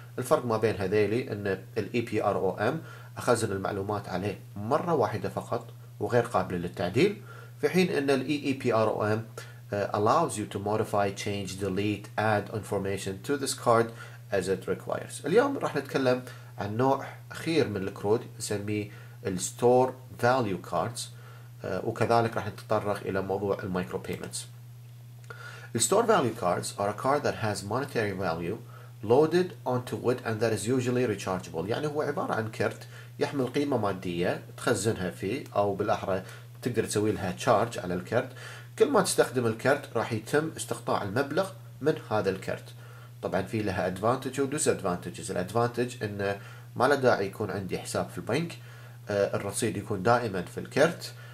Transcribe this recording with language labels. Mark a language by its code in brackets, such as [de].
[ar] الفرق ما بين هذيلي ان ال EPROM اخزن المعلومات عليه مره واحده فقط وغير قابله للتعديل، في حين ان ال EEPROM allows you to modify, change, delete, add information to this card as it requires. اليوم راح نتكلم عن نوع اخير من الكرود نسميه ال store value cards، وكذلك راح نتطرق الى موضوع المايكرو بيمنتس. [en] The store value cards are a card that has monetary value loaded onto it and that is usually rechargeable. [ar] يعني هو عبارة عن كرت يحمل قيمة مادية تخزنها فيه، أو بالأحرى تقدر تسوي لها charge على الكرت. كل ما تستخدم الكرت راح يتم استقطاع المبلغ من هذا الكرت. طبعا في لها advantage و disadvantages. الadvantage إنه ما له داعي يكون عندي حساب في البنك، الرصيد يكون دائما في الكرت.